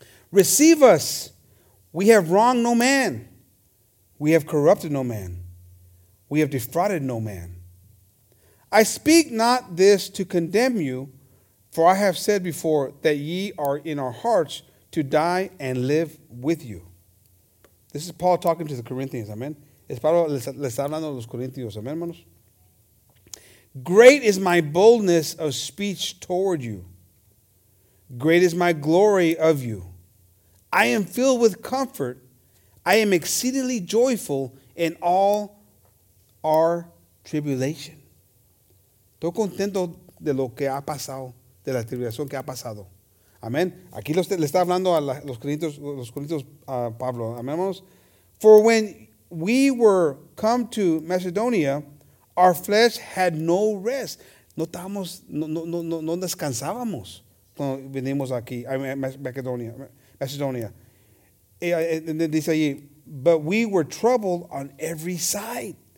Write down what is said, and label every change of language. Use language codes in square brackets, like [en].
[en] Receive us. We have wronged no man. We have corrupted no man. We have defrauded no man. I speak not this to condemn you, for I have said before that ye are in our hearts to die and live with you. This is Paul talking to the Corinthians. Amen. [es] Es Pablo le está hablando a los Corintios. Amen, hermanos. [en] Great is my boldness of speech toward you. Great is my glory of you. I am filled with comfort. I am exceedingly joyful in all our tribulation. [es] Estoy contento de lo que ha pasado. De la tribulación que ha pasado. Amén. Aquí le está hablando a los corintios a Pablo. Amén, hermanos. [en] For when we were come to Macedonia, our flesh had no rest. [es] No descansábamos cuando venimos aquí a Macedonia. Dice allí, [en] but we were troubled on every side.